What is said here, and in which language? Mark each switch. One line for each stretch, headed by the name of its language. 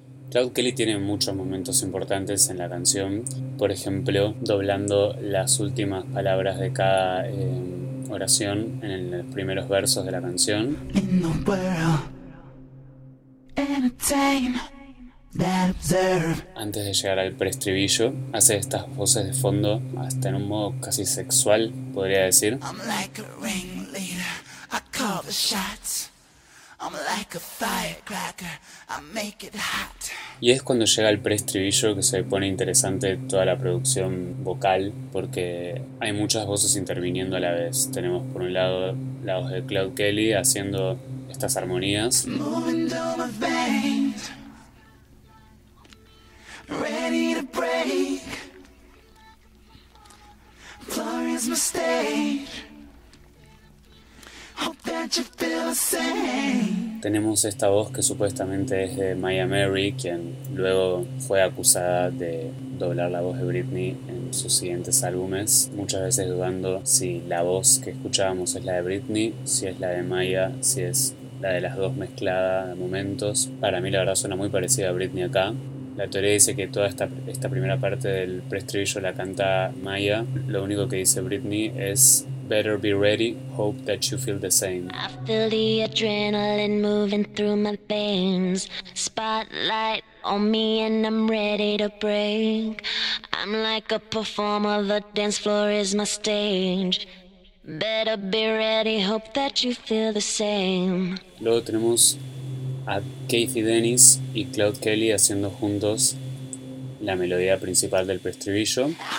Spanish: Cloud Kelly tiene muchos momentos importantes en la canción, por ejemplo, doblando las últimas palabras de cada oración en los primeros versos de la canción.
English: In the world,
Spanish: antes de llegar al preestribillo, hace estas voces de fondo, hasta en un modo casi sexual, podría decir.
English: I'm like a ringleader, I call the shots. I'm like a firecracker, I make it hot.
Spanish: Y es cuando llega el preestribillo que se pone interesante toda la producción vocal, porque hay muchas voces interviniendo a la vez. Tenemos por un lado la voz de Cloud Kelly haciendo estas armonías.
English: Moving through my veins. Ready to break. Floor is my stage. Hope that you feel the same.
Spanish: Tenemos esta voz que supuestamente es de Maya Mary, quien luego fue acusada de doblar la voz de Britney en sus siguientes álbumes, muchas veces dudando si la voz que escuchábamos es la de Britney, si es la de Maya, si es la de las dos mezclada a momentos. Para mí la verdad suena muy parecida a Britney acá. La teoría dice que toda esta primera parte del preestribillo la canta Maya. Lo único que dice Britney es
English: "Better be ready, hope that you feel the same." I feel the adrenaline moving through my veins. Spotlight on me and I'm ready to break. I'm like a performer, the dance floor is my stage. Better be ready, hope that you feel the same.
Spanish: Luego tenemos a Kathy Dennis y Cloud Kelly haciendo juntos la melodía principal del preestribillo.